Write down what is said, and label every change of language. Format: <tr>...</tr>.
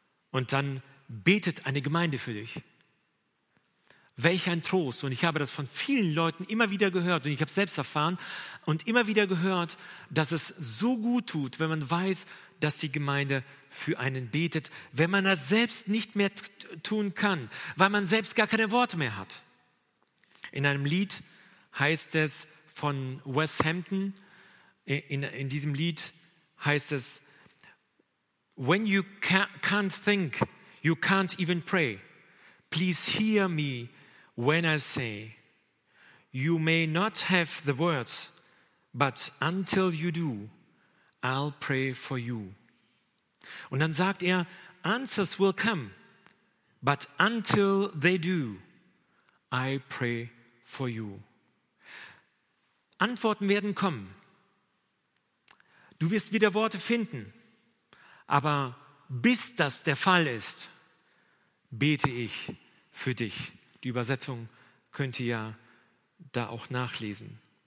<de>Und dann betet eine Gemeinde für dich. Welch ein Trost. Und ich habe das von vielen Leuten immer wieder gehört. Und ich habe selbst erfahren und immer wieder gehört, dass es so gut tut, wenn man weiß, dass die Gemeinde für einen betet, wenn man das selbst nicht mehr tun kann, weil man selbst gar keine Worte mehr hat. In einem Lied heißt es</de> <en>von Wes Hampton, in diesem Lied heißt es, when you can't think, you can't even pray, please hear me when I say, you may not have the words, but until you do, I'll pray for you.</en> <de>Und dann sagt er,</de> <en>answers will come, but until they do, I pray for you.</en> <de>Antworten werden kommen. Du wirst wieder Worte finden. Aber bis das der Fall ist, bete ich für dich. Die Übersetzung könnt ihr ja da auch nachlesen.</de>